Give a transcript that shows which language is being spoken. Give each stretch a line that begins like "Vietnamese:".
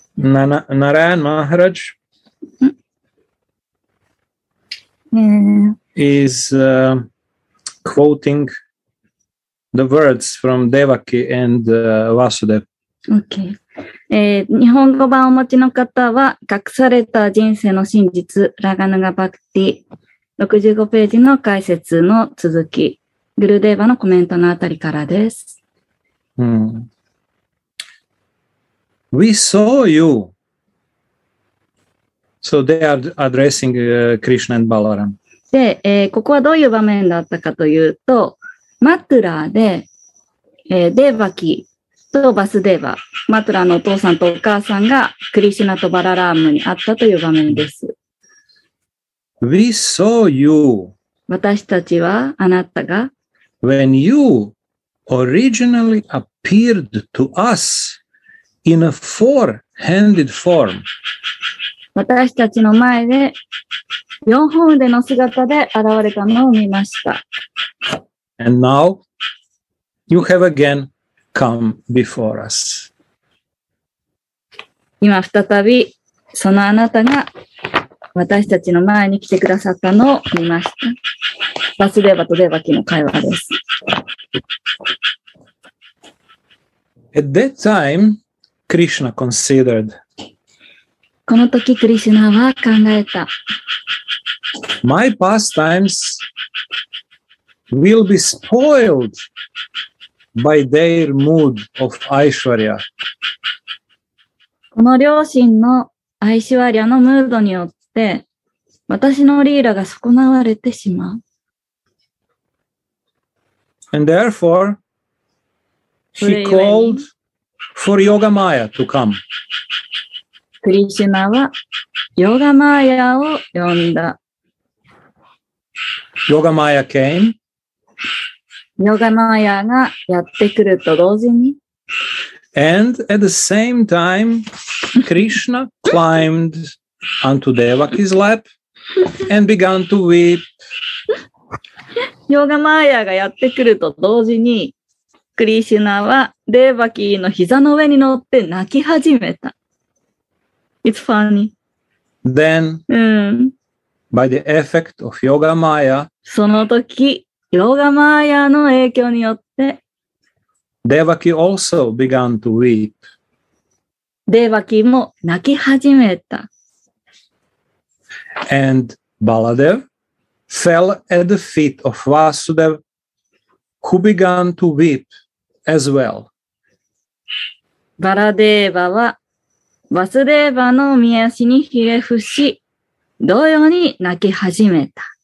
English: Narayan Maharaj is quoting the words from Devaki and Vasudev. Okay.
Japanese: 日本語版をお持ちの方は、隠された人生の真実、ラガヌガバクティ、65ページの解説の続き、グルデーバのコメントのあたりからです。
English: We saw you. So they are addressing Krishna and Balaram.
Japanese: で、ここはどういう場面だったかというと、マトゥラーで、デーバキ、とバスデーバ、マトラのお父さんとお母さんがクリシュナとバララームに会ったという場面です。
English: We saw you.
Japanese: 私たちはあなたが。
English: When you originally appeared to us in a four-handed form.
Japanese: 私たちの前で四本腕の姿で現れたのを見ました。
English: And now you have again. Come before us.
Japanese: 今再びそのあなたが私たちの前に来てくださったのを見ました。バスデーバとデーバキの会話です。
English: At that time, Krishna considered.
Japanese: この時クリシュナは考えた。
English: My pastimes will be spoiled. By their mood of Aishwarya.
Japanese: この両親のアイシュワリアのムードによって、私のリーラが損なわれてしまう。
English: And therefore, he called for Yoga Maya to come.
Japanese: クリシュナはヨガマーヤを呼んだ。
English: Yoga Maya came.
Japanese: ヨガマーヤがやってくると同時に。
English: And at the same time, Krishna climbed onto Devaki's lap and began to weep.
Japanese: ヨガマーヤがやってくると同時に、クリシュナはデーバキの膝の上に乗って泣き始めた。
English: It's funny. Then, by the effect of Yoga Maya,
Japanese: その時、ヨガマーヤの影響によって、
English: Devaki also began to weep.
Japanese: Devaki も泣き始めた。
English: And Baladev fell at the feet of Vasudev, who began to weep as well.
Japanese: バラデーバは、ワスデーバの御足にひれ伏し、同様に泣き始めた。